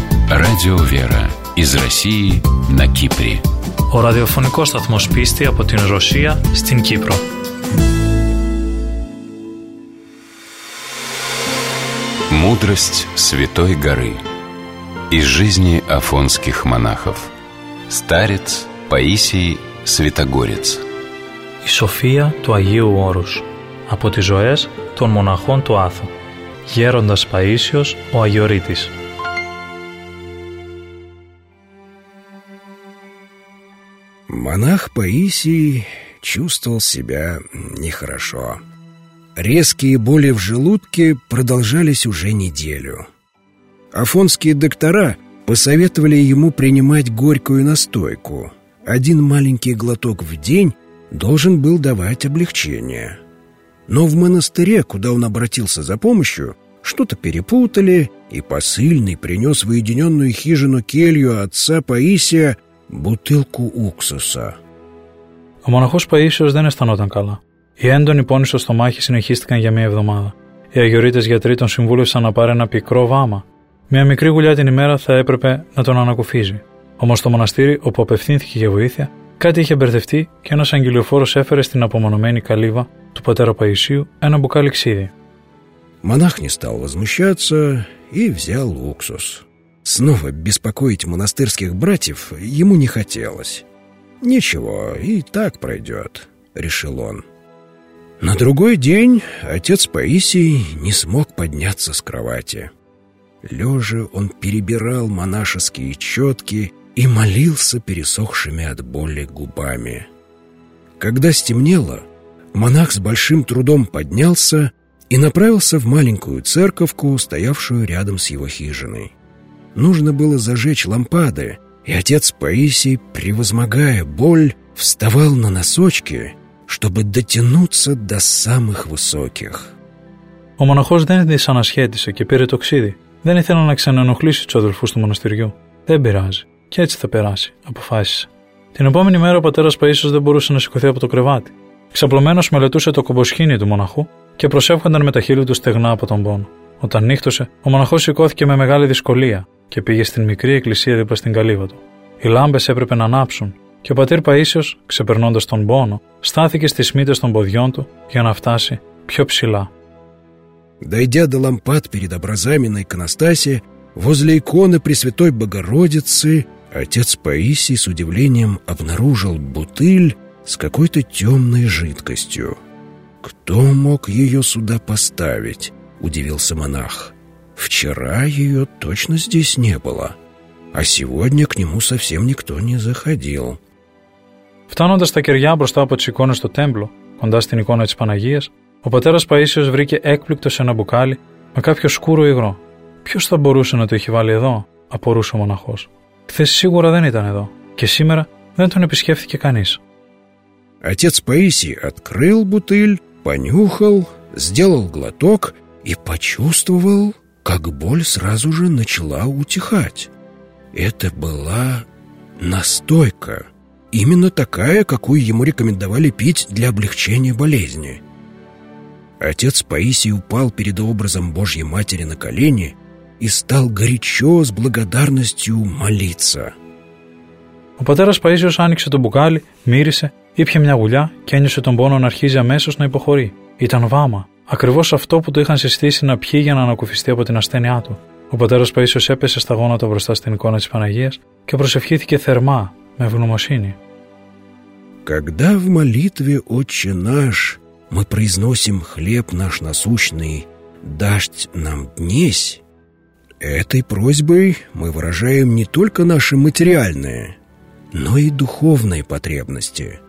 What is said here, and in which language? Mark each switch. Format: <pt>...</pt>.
<ru>Радио Вера из России на Кипре.</ru> <el>О радиофонико сатмос писти από την Ρωσία στην Κύπρο.</el> <ru>Мудрость Святой Горы из жизни афонских монахов. Старец Паисий Святогорец.</ru> <el>Η Σοφία του Αγίου Όρους από τις ζωές των μοναχών του Άθου. Γέροντας Παΐσιος ο Αγιορείτης.</el> <ru>Монах Паисий чувствовал себя нехорошо. Резкие боли в желудке продолжались уже неделю. Афонские доктора посоветовали ему принимать горькую настойку. Один маленький глоток в день должен был давать облегчение. Но в монастыре, куда он обратился за помощью, что-то перепутали, и посыльный принес в уединенную хижину келью отца Паисия бутылку уксуса.</ru> <el>Ο μοναχός Παΐσιος δεν αισθανόταν καλά. Η έντονη πόνη στο στομάχι συνεχίστηκαν για μία εβδομάδα. Οι αγιορείτες γιατροί τον συμβούλευσαν να πάρει ένα πικρό βάμα. Μία μικρή γουλιά την ημέρα θα έπρεπε να τον ανακουφίζει. Όμως στο μοναστήρι, όπου απευθύνθηκε για βοήθεια, κάτι είχε μπερδευτεί και ένας αγγελιοφόρος έφερε στην απομονωμένη καλύβα του πατέρα Παϊσίου ένα μπουκάλι ξύδι.</el> <ru>Μονάχ не стал возмущаться и взял уксус. Снова беспокоить монастырских братьев ему не хотелось. «Ничего, и так пройдет», — решил он. На другой день отец Паисий не смог подняться с кровати. Лежа он перебирал монашеские четки и молился пересохшими от боли губами. Когда стемнело, монах с большим трудом поднялся и направился в маленькую церковку, стоявшую рядом с его хижиной. Нужно было зажечь лампады, и отец Паисий, превозмогая боль, вставал на носочки, чтобы дотянуться до самых высоких.</ru> <el>Ο μοναχός δεν δυσανασχέτησε και πήρε το ξύδι. Δεν ήθελε να ξανενοχλήσει τους αδελφούς του μοναστηριού. Δεν πειράζει. Και έτσι θα περάσει, αποφάσισε. Την επόμενη μέρα ο πατέρας Παΐσιος δεν μπορούσε να σηκωθεί από το κρεβάτι. Ξαπλωμένος μελετούσε το κομποσχήνι του μοναχού και προσεύχονταν με τα χείλη του στεγνά από τον πόνο. Όταν νύχτωσε, ο μοναχός σηκώθηκε με μεγάλη δυσκολία και πήγε στην μικρή εκκλησία δίπλα στην καλύβα του. Οι λάμπες έπρεπε να ανάψουν και ο πατήρ Παΐσιος, ξεπερνώντας τον πόνο, στάθηκε στις μύτες των ποδιών του για να φτάσει πιο ψηλά.</el> <ru>Дойдя до лампад перед образами на иконостасе, возле иконы Пресвятой Богородицы, отец Паисий с удивлением обнаружил бутыль с какой-то темной жидкостью. «Кто мог ее сюда поставить?» — удивился монах. «Вчера ее точно здесь не было, а сегодня к нему совсем никто не заходил».</ru> <el>Φτάνοντας στα κεριά μπροστά από τις εικόνες στο τέμπλο, κοντά στην εικόνα της Παναγίας, ο πατέρας Παΐσιος βρήκε έκπληκτο σε ένα μπουκάλι με κάποιο σκούρο υγρό. «Ποιος θα μπορούσε να το έχει βάλει εδώ?» απορούσε ο μοναχός. «Χθες σίγουρα δεν ήταν εδώ και σήμερα δεν τον επισκέφθηκε κανείς».</el> <ru>Отец Паисий открыл бутыль, понюхал, сделал глоток и почувствовал, как боль сразу же начала утихать. Это была настойка, именно такая, какую ему рекомендовали пить для облегчения болезни. Отец Паисий упал перед образом Божьей Матери на колени и стал горячо с благодарностью молиться.</ru> <el>Ο πατέρας Παΐσιος άνοιξε το μπουκάλι, μύρισε, ήπια μια γουλιά και ένιωσε τον πόνο να αρχίζει αμέσως να υποχωρεί. Ήταν βάμα, ακριβώς αυτό που το είχαν συστήσει να πιει για να ανακουφιστεί από την ασθένειά του. Ο πατέρας Παΐσιος έπεσε στα γόνατα μπροστά στην εικόνα της Παναγίας και προσευχήθηκε θερμά, με ευγνωμοσύνη.</el> <ru>«Когда в молитве, Отче наш, мы произносим хлеб наш насущный, дашь нам днесь, этой просьбой мы выражаем не только наши материальные, но и духовные потребности.</ru>